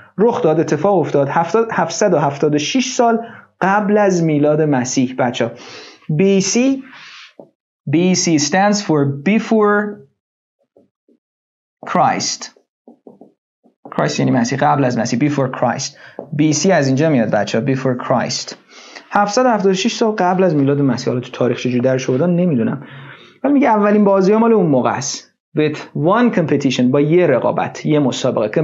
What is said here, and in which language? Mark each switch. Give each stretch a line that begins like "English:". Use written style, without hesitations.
Persian: رخ داد، اتفاق افتاد 776 سال قبل از میلاد مسیح بچه ها.
English: BC BC stands for before Christ.
Persian: Christ یعنی مسیح، قبل از مسیح.
English: Before Christ.
Persian: BC از اینجا میاد بچه ها.
English: Before Christ.
Persian: 776 سال قبل از میلاد مسیح. حالا تو تاریخ چجوری در شده نمیدونم، ولی میگه اولین بازی ها مال اون موقع است.
English: With one competition،
Persian: با یه رقابت، یه مسابقه.